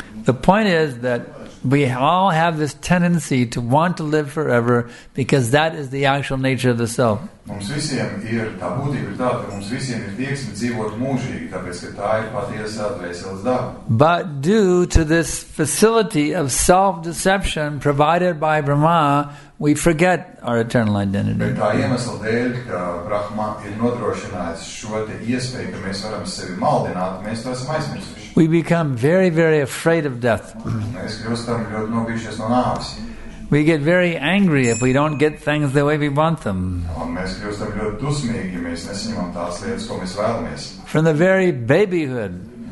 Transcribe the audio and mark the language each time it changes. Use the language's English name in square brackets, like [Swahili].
[English] The point is that we all have this tendency to want to live forever because that is the actual nature of the self. [Latvian] Mums visiem ir tā būtība ir tā, ka mums visiem ir tieksme dzīvot mūžīgi, tāpēc ka tā ir patiesā dvēseles daba. [English] But due to this facility of self-deception provided by Brahma, we forget our eternal identity. [Latvian] Bet tā iemesla dēļ, ka Brahma ir nodrošinājis šo te iespēju, ka mēs varam sevi maldināt, mēs to esam aizmirsuši. [English] We become very, very afraid of death. [Latvian] Mēs kļūstam ļoti nobijušies no nāves. [English] We get very angry if we don't get things the way we want them. From the very babyhood.